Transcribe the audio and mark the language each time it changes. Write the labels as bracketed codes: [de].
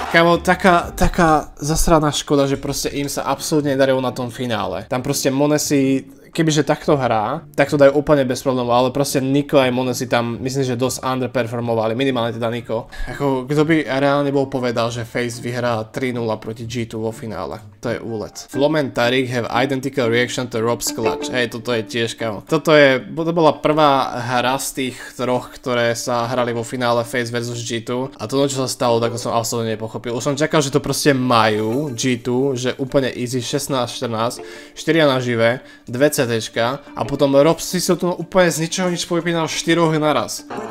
[sk] Kámo, taká zasraná škoda, že proste im sa absolútne nedarilo na tom finále. Tam proste Monesi, kebyže takto hrá, tak to dajú úplne bez problémov, ale proste Niko aj Monesi tam myslím, že dosť underperformovali, minimálne teda Niko. Ako, kto by reálne bol povedal, že FaZe vyhrá 3-0 proti G2 vo finále. To je úlet. [en] Flom and Tariq have identical reaction to Rob's clutch. [sk] Hej, toto je tiež kámo. Toto je, to bola prvá hra z tých troch, ktoré sa hrali vo finále FaZe versus G2. A to, čo sa stalo, tak to som absolútne nepochopil. Už som čakal, že to proste majú G2, že úplne easy 16-14, 4 nažive, 2 CTčka a potom Rob si to úplne z ničoho nič povypínal 4 naraz.